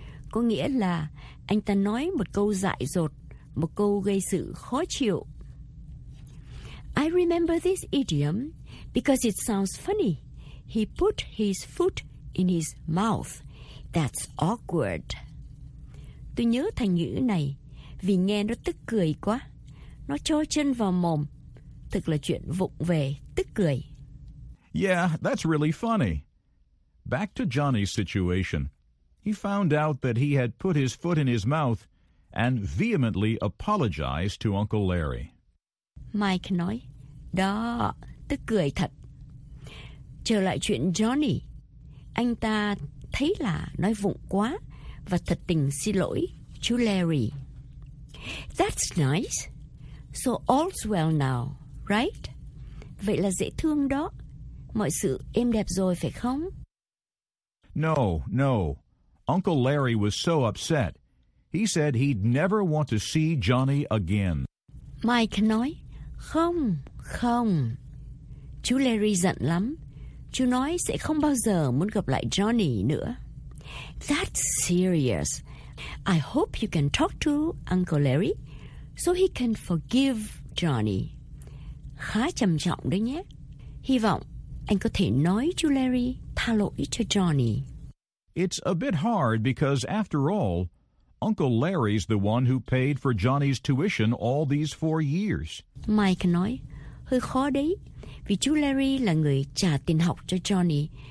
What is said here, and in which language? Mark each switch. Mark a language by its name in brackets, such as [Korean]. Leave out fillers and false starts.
[Vietnamese] Có nghĩa là anh ta nói một câu dại dột, một câu gây sự khó chịu. [English] I remember this idiom because it sounds funny. He put his foot in his mouth. That's awkward. [Vietnamese] Tôi nhớ thành ngữ này vì nghe nó tức cười quá. Nó cho chân vào mồm. Thực là chuyện vụng về, tức cười. [English] Yeah, that's really funny. Back to Johnny's situation. He found out that he had put his foot in his mouth and vehemently apologized to Uncle Larry. [Vietnamese] Mike nói, đó, tức cười thật. Trở lại chuyện Johnny, anh ta thấy là nói vụng quá và thật tình xin lỗi chú Larry. [English] That's nice. So all's well now, right? [Vietnamese] Vậy là dễ thương đó. Mọi sự êm đẹp rồi phải không? [English] No, no. Uncle Larry was so upset. He said he'd never want to see Johnny again. [Vietnamese] Mike nói, không, không. Chú Larry giận lắm. Chú nói sẽ không bao giờ muốn gặp lại Johnny nữa. [English] That's serious. I hope you can talk to Uncle Larry so he can forgive Johnny. [Vietnamese] Khá trầm trọng đấy nhé. Hy vọng anh có thể nói chú Larry tha lỗi cho Johnny. [English] It's a bit hard because after all, Uncle Larry's the one who paid for Johnny's tuition all these 4 years. [Vietnamese] Mike nói, hơi khó đấy, vì chú Larry là người trả tiền học cho Johnny